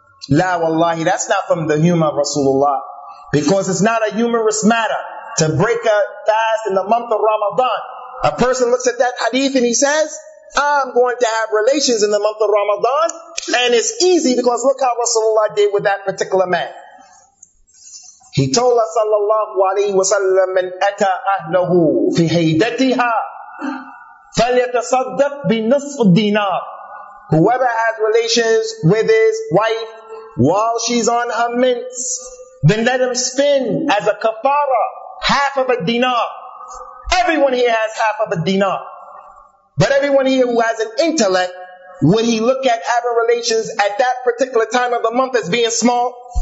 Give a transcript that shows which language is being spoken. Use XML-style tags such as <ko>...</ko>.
<en>La wallahi, that's not from the humor of Rasulullah. Because it's not a humorous matter to break a fast in the month of Ramadan. A person looks at that hadith and he says, I'm going to have relations in the month of Ramadan. And it's easy because look how Rasulullah did with that particular man. He told us,</en> <ar>sallallahu alayhi wa sallam, من أتى أهله في هيدتها فليتصدق بنصف دينار.</ar> <en>Whoever has relations with his wife while she's on her mints, then let him spend as a kafara half of a dinar. Everyone here has half of a dinar. But everyone here who has an intellect, would he look at having relations at that particular time of the month as being small?</en>